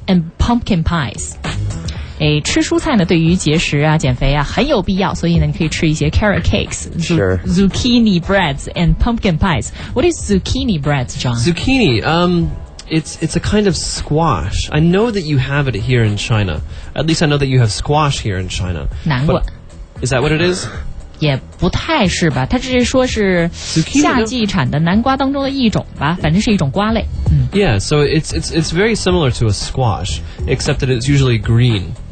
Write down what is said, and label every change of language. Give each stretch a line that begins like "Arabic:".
English: And pumpkin pies.
Chinese: 哎，吃蔬菜呢，对于节食啊、减肥啊很有必要。所以呢，你可以吃一些
English: carrot cakes, zucchini breads, and pumpkin pies. What is zucchini breads, John? Zucchini, it's a kind of squash. I know that you have it here in China. At least I know that you have squash here in China.
Chinese: 南瓜
English: Is that what it is?
Chinese: 也不太是吧。它只是说是夏季产的南瓜当中的一种吧，反正是一种瓜类。
English: Yeah, so it's very similar to a squash, except that it's usually green.